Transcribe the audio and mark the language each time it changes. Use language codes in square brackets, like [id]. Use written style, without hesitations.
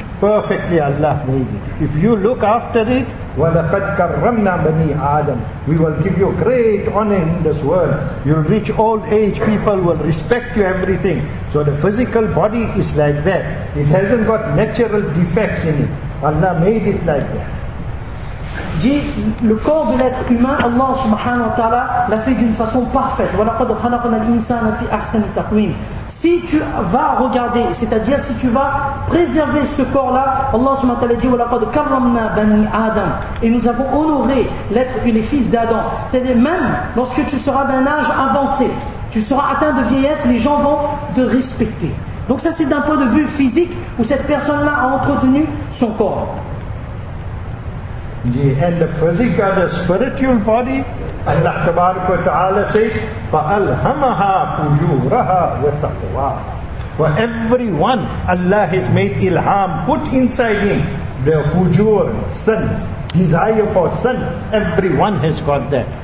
[en] Perfectly Allah made it. If you look after it, [ar] wa laqad karramna bani Adam, [en] we will give you great honor in this world. You'll reach old age, people will respect you, everything. So the physical body is like that. It hasn't got natural defects in it. Allah made it like that. [fr] Dit le corps de l'être humain, Allah subhanahu wa ta'ala l'a fait d'une façon parfaite. [ar] Wa laqad khalaqna al-insana fi ahsani taqwim. [fr] Si tu vas regarder, c'est-à-dire si tu vas préserver ce corps-là, Allah subhanahu wa ta'ala dit [ar] wa laqad karramna bani Adam, [fr] et nous avons honoré l'être et les fils d'Adam. C'est-à-dire même lorsque tu seras d'un âge avancé, tu seras atteint de vieillesse, les gens vont te respecter. Donc ça c'est d'un point de vue physique où cette personne-là a entretenu son corps. [en] And the physical, the spiritual body, Allah tabaraka wa ta'ala says, [ar] فَأَلْهَمَهَا فُجُورَهَا وَتَقْوَى. [en] For everyone, Allah has made ilham, put inside him, the fujur, sins, desire for sin, everyone has got that.